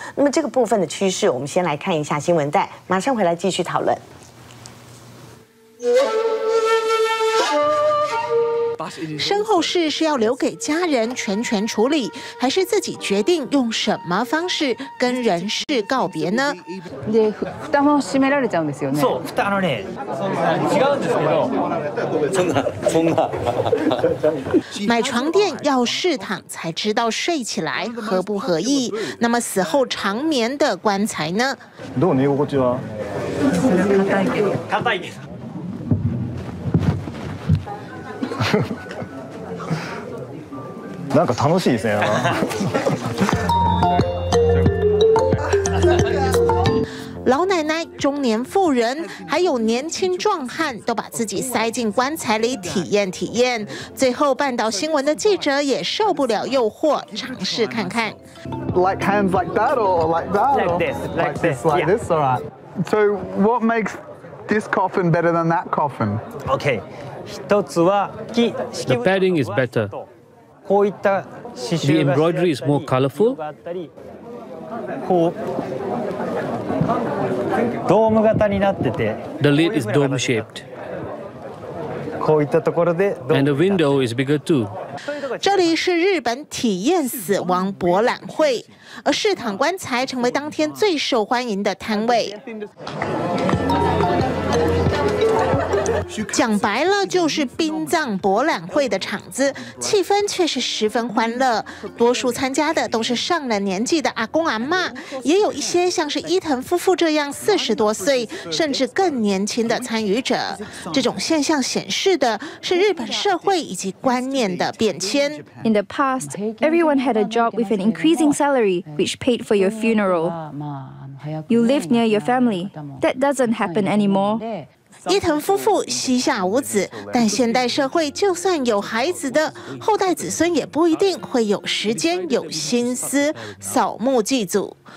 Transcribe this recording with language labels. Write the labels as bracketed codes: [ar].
[zh] 那么这个部分的趋势，我们先来看一下新闻带，马上回来继续讨论。身后事是要留给家人全权处理，还是自己决定用什么方式跟人世告别呢？ [ja] で、蓋も閉められちゃうんですよね。そう、蓋のね、違うんですけど、 [zh] 真的。买床垫要试躺才知道睡起来合不合意。那么死后长眠的棺材呢？ [ja] どう寝心地は？硬いけど。なんか楽しいですね。 [zh] 老奶奶、中年妇人，还有年轻壮汉，都把自己塞进棺材里体验体验。最后，半岛新闻的记者也受不了诱惑，尝试看看。 [en] Like hands like that or like that? Like this, like this, like this, all right. So what makes this coffin better than that coffin? Okay. The padding is better. The embroidery is more colorful. The lid is dome-shaped. And the window is bigger too. [zh] 这里是日本体验死亡博览会，而试躺棺材成为当天最受欢迎的摊位。讲白了就是殡葬博览会的场子，气氛却是十分欢乐。多数参加的都是上了年纪的阿公阿嬷，也有一些像是伊藤夫妇这样四十多岁甚至更年轻的参与者。这种现象显示的是日本社会以及观念的变迁。 [en] In the past, everyone had a job with an increasing salary which paid for your funeral. You live near your family. That doesn't happen anymore. [zh] 伊藤夫妇膝下无子，但现代社会就算有孩子的后代子孙也不一定会有时间有心思扫墓祭祖。